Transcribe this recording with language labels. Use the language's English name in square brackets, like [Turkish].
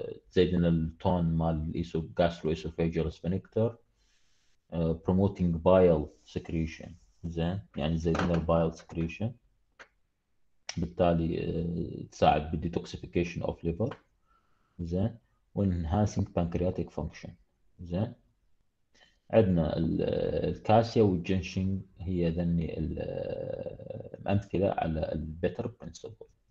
[Arabic] تزيد لنا التون مال الجاسترو ايسوفاجيال سفنكتر. [English] Promoting bile secretion. [Arabic] زين، يعني تزيد لنا البايل سكريشن، بالتالي تساعد بالديتوكسيفيكيشن اوف ليفر. زين، وانهانسينج بانكرياتيك فانكشن. زين، عندنا الكاسيا والجنشنج هي ذني الامثله على البيتر برنسبل.